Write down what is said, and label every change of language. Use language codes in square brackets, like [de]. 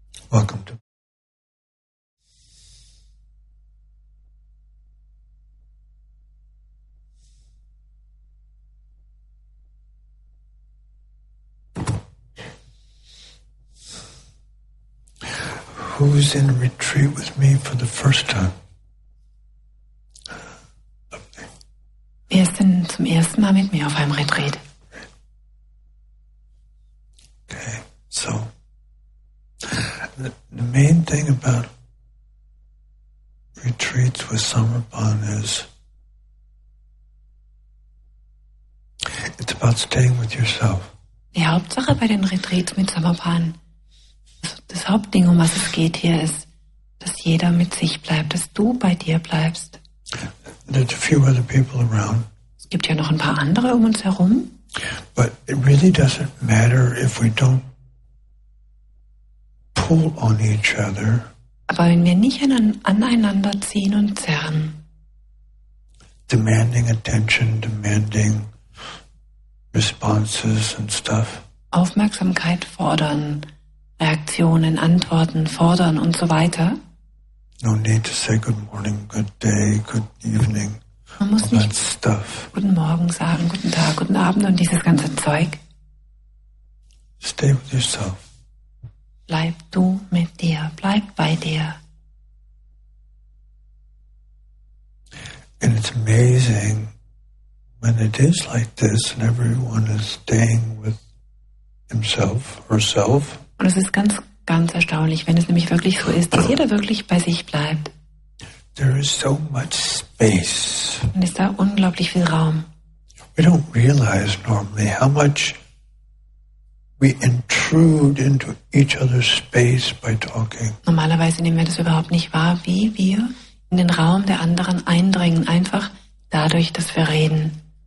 [en] Welcome to who's in retreat with me for the first time? [de] Wer ist denn zum ersten Mal mit mir auf einem Retreat? [en] The main thing about retreats with Samarpan is it's about staying with yourself. [de] Die Hauptsache bei den Retreats mit Samarpan, das Hauptding, um was es geht hier, ist, dass jeder mit sich bleibt, dass du bei dir bleibst. [en] There's a few other people around. [de] Es gibt ja noch ein paar andere um uns herum. [en] But it really doesn't matter if we don't on each other. [de] Aber wenn wir nicht aneinander ziehen und zerren, [en] demanding attention, demanding responses and stuff, [de] Aufmerksamkeit fordern, Reaktionen, Antworten fordern und so weiter, [en] no need to say good morning, good day, good evening, [de] man muss [en] all [de] nicht [en] that stuff. [de] Guten Morgen sagen, guten Tag, guten Abend und dieses ganze Zeug. [en] Stay with yourself. [de] Bleib du mit dir, bleib bei dir. [en] And it's amazing when it is like this and everyone is staying with himself, herself. [de] Und es ist ganz, ganz erstaunlich, wenn es nämlich wirklich so ist, dass jeder wirklich bei sich bleibt. [en] There is so much space. [de] Und es ist da unglaublich viel Raum. [en] We don't realize normally how much we intrude into each other's space by talking. [de] Normalerweise nehmen wir das überhaupt nicht wahr, wie wir in den Raum der anderen eindringen, einfach dadurch, dass wir reden.